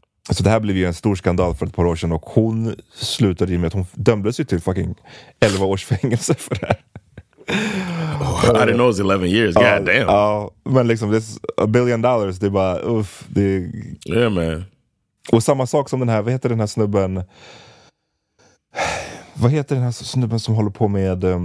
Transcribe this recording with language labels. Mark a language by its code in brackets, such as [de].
[sv] Så det här blev ju en stor skandal för ett par år sedan, och hon slutade med att hon dömdes ju till fucking 11 års fängelse för det här. [en] I didn't know it was 11 years. God damn. [sv] Men liksom, [en] this $1 billion, [sv] det är bara uff. Det är... [en] Yeah, man. [sv] Och samma sak som den här, vad heter den här snubben? Vad heter den här snubben som håller på med